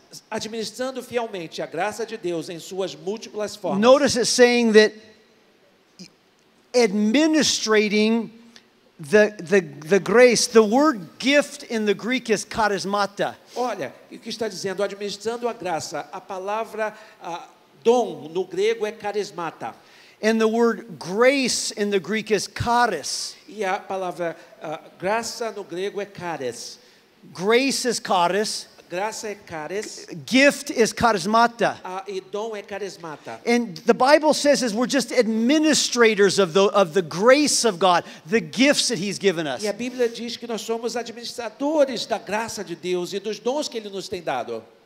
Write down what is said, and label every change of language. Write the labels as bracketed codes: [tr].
[pt] Administrando fielmente a graça de Deus em suas múltiplas formas. [en] Notice it saying that administrating the grace, the word gift in the Greek is charismata. [pt] Olha, o que está dizendo, administrando a graça, a palavra Dom no grego é carismata. [en] And the word grace in the Greek is charis. [pt] E a palavra graça no grego é charis. [en] Grace is charis. [pt] Graça é charis. [en] Gift is charismata. [pt] E dom é charismata. [en] And the Bible says is we're just administrators of the grace of God, the gifts that he's given us. [pt] E a Bíblia diz que nós somos administradores da graça de Deus e dos dons que ele nos tem dado.